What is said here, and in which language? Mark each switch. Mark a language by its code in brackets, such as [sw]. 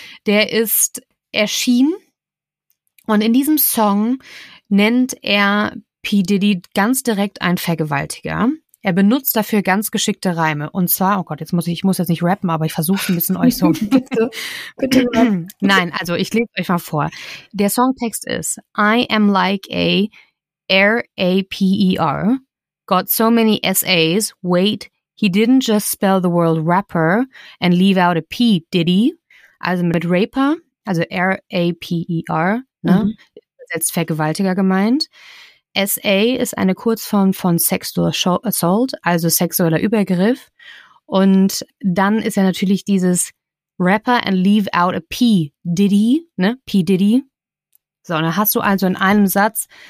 [de] Der ist erschienen und in diesem Song nennt er P. Diddy ganz direkt ein Vergewaltiger. Er benutzt dafür ganz geschickte Reime. Und zwar, oh Gott, ich muss jetzt nicht rappen, aber ich versuche ein bisschen euch so. bitte. Nein, also ich lese euch mal vor. Der Songtext ist, [en] I am like a R-A-P-E-R, got so many S-A's, wait, he didn't just spell the word rapper and leave out a P, did he? [de] Also mit Raper, also R-A-P-E-R, ne? Mhm. Jetzt Vergewaltiger gemeint. S-A ist eine Kurzform von Sexual Assault, also sexueller Übergriff. Und dann ist ja natürlich dieses [en] Rapper and leave out a P, did he? [de] Ne? [en] P, did he? [de] So, dann hast du also in einem Satz